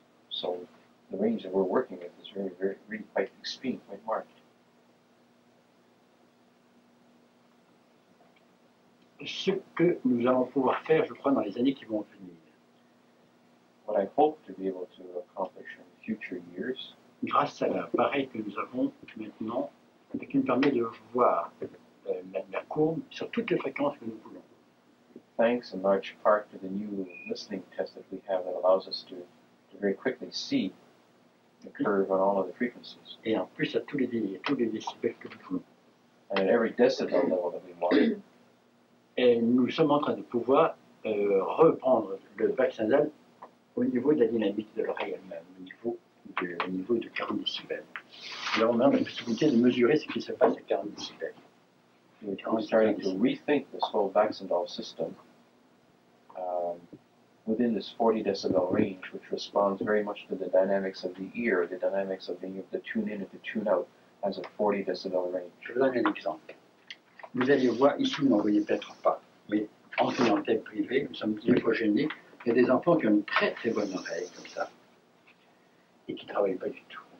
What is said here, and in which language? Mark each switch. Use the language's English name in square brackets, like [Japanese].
[English] So the range that we're working with is really, very, really quite extreme, quite marked. [French] Ce que nous allons pouvoir faire, je crois, dans les années qui vont venir. [English] What I hope to be able to accomplish in future years. [French] Grâce à l'appareil que nous avons maintenant, et qui nous permet de voir la courbe sur toutes les fréquences que nous voulons. [English] Thanks in large part to the new listening test that we have that allows us to very quickly see the curve on all of the frequencies. [French] Et en plus à tous les décibels que nous voulons. [English] And at every decibel level that we want. [French] Et nous sommes en train de pouvoir reprendre le Baxendahl au niveau de la dynamique de l'oreille elle-même, au niveau de 40 décibels. Alors on a la possibilité de mesurer ce qui se passe à 40 décibels. [English] We're starting to rethink this whole Baxendall system within this 40 decibel range, which responds very much to the dynamics of the ear, the dynamics of being able to tune in and to tune out as a 40 decibel range. [French] Je vous donne un exemple. Vous allez voir ici, vous n'en voyez peut-être pas, mais en clientèle privée, nous sommes hypogénés. Il y a des enfants qui ont une très très bonne oreille comme ça et qui ne travaillent pas du tout.